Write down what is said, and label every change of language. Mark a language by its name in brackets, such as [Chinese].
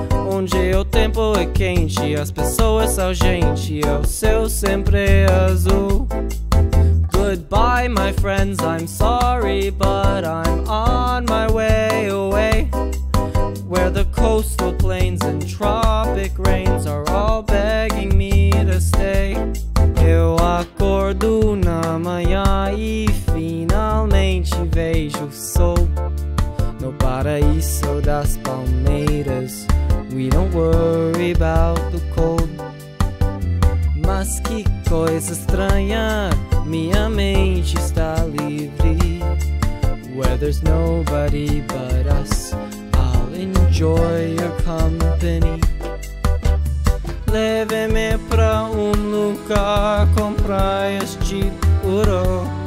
[Portuguese] Onde o tempo é quente, as pessoas são gente, e o céu sempre azul. [English] Goodbye, my friends, I'm sorry, but I'm on my way away. Where the coastal plains and tropic rains are all begging me to stay. [Portuguese] Eu acordo na manhã e finalmente vejo o sol. No paraíso das palmeiras. [English] We don't worry about the cold. [Portuguese] Mas que coisa estranha, minha mente está livre. [English] Where there's nobody but us, I'll enjoy your company. [Portuguese] Leve-me pra lugar com praias de ouro.